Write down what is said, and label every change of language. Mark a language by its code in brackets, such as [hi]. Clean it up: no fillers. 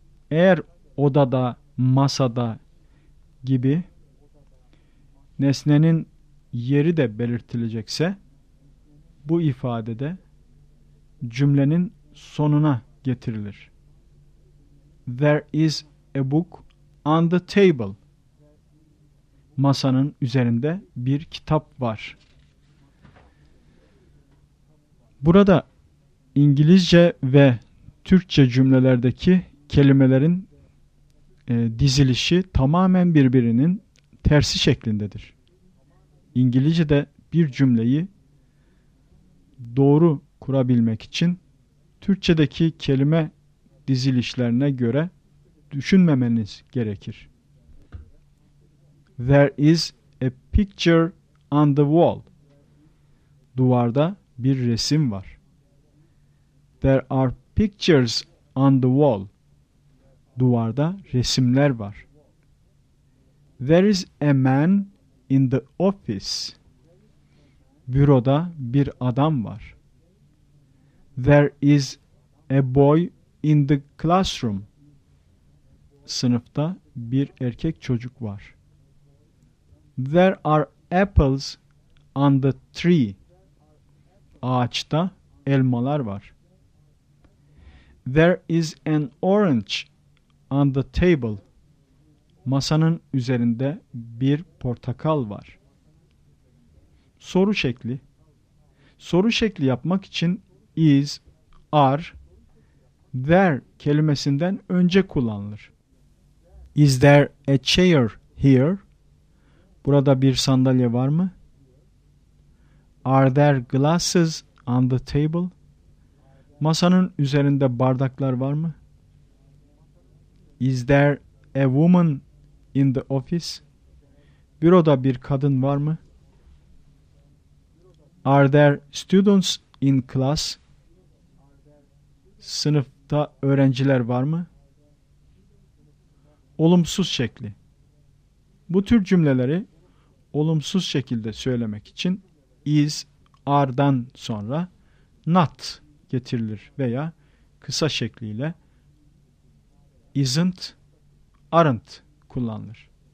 [tr] Eğer odada, masada gibi nesnenin yeri de belirtilecekse bu ifadede cümlenin sonuna getirilir. [en] There is a book on the table. [tr] Masanın üzerinde bir kitap var. Burada İngilizce ve Türkçe cümlelerdeki kelimelerin dizilişi tamamen birbirinin tersi şeklindedir. İngilizce'de bir cümleyi doğru kurabilmek için Türkçe'deki kelime dizilişlerine göre düşünmemeniz gerekir. [en] There is a picture on the wall. [tr] Duvarda bir resim var. [en] There are pictures on the wall. [tr] Duvarda resimler var. [en] There is a man in the office. [tr] Büroda bir adam var. [en] There is a boy in the classroom. [tr] Sınıfta bir erkek çocuk var. [en] There are apples on the tree. [tr] Ağaçta elmalar var. [en] There is an orange on the table. [tr] Masanın üzerinde bir portakal var. Soru şekli. Soru şekli yapmak için is, are, there kelimesinden önce kullanılır. [en] Is there a chair here? [tr] Burada bir sandalye var mı? [en] Are there glasses on the table? [tr] Masanın üzerinde bardaklar var mı? [en] Is there a woman in the office? [tr] Büroda bir kadın var mı? [en] Are there students in class? [tr] Sınıfta öğrenciler var mı? Olumsuz şekli. Bu tür cümleleri olumsuz şekilde söylemek için is, are'dan sonra not getirilir veya kısa şekliyle isn't, aren't kullanılır.